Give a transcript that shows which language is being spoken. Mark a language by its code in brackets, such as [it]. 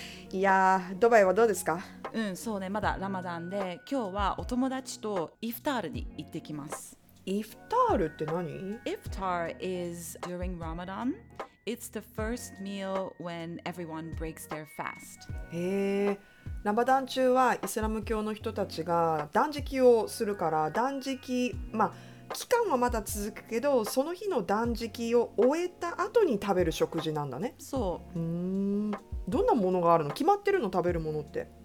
[ja] いやドバイはどうですか？うん、そうね、まだラマダンで今日はお友達とイフタールに行ってきます。 Iftar って何? [en] Iftar is during Ramadan. It's the first meal when everyone breaks their fast. [ja] ラマダン中はイスラム教の人たちが断食をするから、断食、まあ期間はまだ続くけど、その日の断食を終えた後に食べる食事なんだね。そう。どんなものがあるの？決まってるの？食べるものって。